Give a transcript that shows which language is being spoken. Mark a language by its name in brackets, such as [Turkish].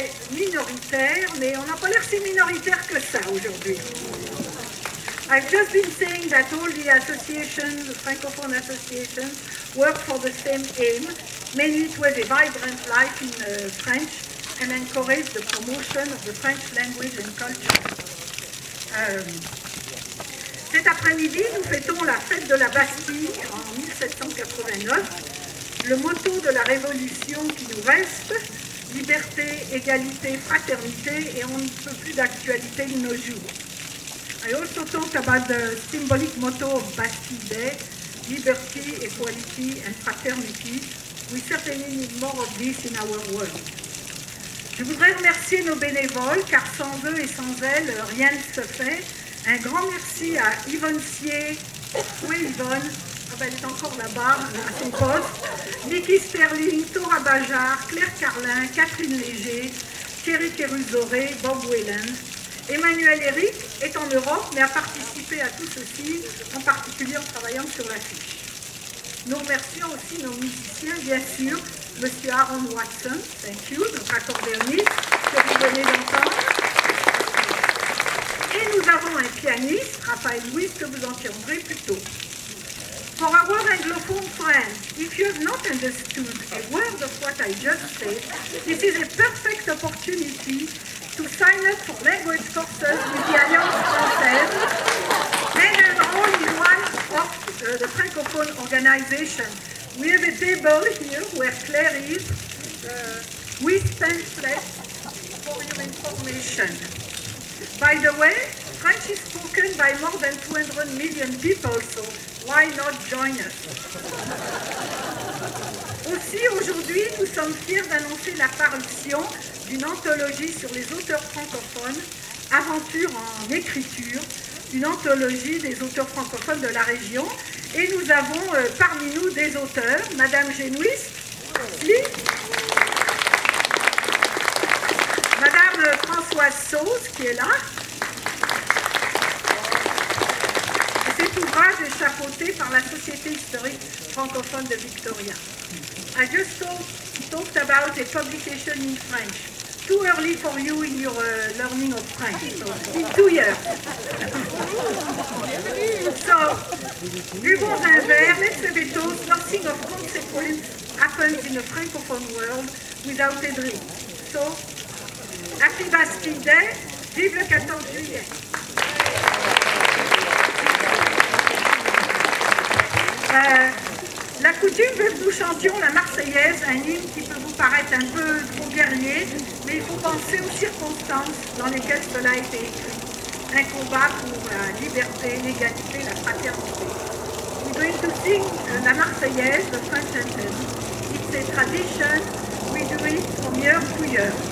[French] minoritaire, mais on n'a pas l'air si minoritaire que ça aujourd'hui. [English] I've just been saying that all the associations, the francophone associations, work for the same aim, mainly to have a vibrant life in French and encourage the promotion of the French language and culture. [French] Cet après-midi, nous fêtons la fête de la Bastille en 1789. Le motto de la Révolution qui nous reste, liberté, égalité, fraternité, et on ne peut plus d'actualité de nos jours. [English] I also talk about the symbolic motto of Bastille Day, liberty, equality and fraternity. We certainly need more of this in our world. [French] Je voudrais remercier nos bénévoles, car sans eux et sans elles, rien ne se fait. Un grand merci à Yvonne Sier. Où est Yvonne? Ah ben, elle est encore là-bas, à son poste. Nikki Sterling, Thora Bajar, Claire Carlin, Catherine Léger, Thierry Kérusoré, Bob Whelan. Emmanuel Eric est en Europe, mais a participé à tout ceci, en particulier en travaillant sur l'affiche. Nous remercions aussi nos musiciens, bien sûr, M. Aaron Watson, [English] thank you, [French] notre accordéoniste, que vous venez d'entendre. Et nous avons un pianiste, Raphaël Louis, que vous entendrez plus tôt. [English] For our Anglophone friends, if you have not understood a word of what I just said, this is a perfect opportunity to sign up for language courses with the Alliance Française, and an all-in-one of the Francophone organization. We have a table here where Claire is, with pamphlets for your information. By the way, French is spoken by more than 200 million people, so why not join us? [French] Aussi, aujourd'hui, nous sommes fiers d'annoncer la parution d'une anthologie sur les auteurs francophones, Aventure en écriture, une anthologie des auteurs francophones de la région. Et nous avons parmi nous des auteurs, Madame Genouis, oui. Madame Françoise Sauce, qui est là. Cet ouvrage est chapeauté par la Société historique francophone de Victoria. [English] I just talked about a publication in French. Too early for you in your learning of French. In 2 years. So, [French] buvons un verre, [English] let's have a toast. Nothing of consequence happens in the francophone world without a drink. So, happy Bastille Day, [French] vive le 14 juillet. La coutume veut que nous chantions la Marseillaise, un hymne qui peut vous paraître un peu trop guerrier, mais il faut penser aux circonstances dans lesquelles cela a été écrit. Un combat pour la liberté, l'égalité, la fraternité. [English] We're going to sing la Marseillaise, the French anthem. It's a tradition, we do it from year to year.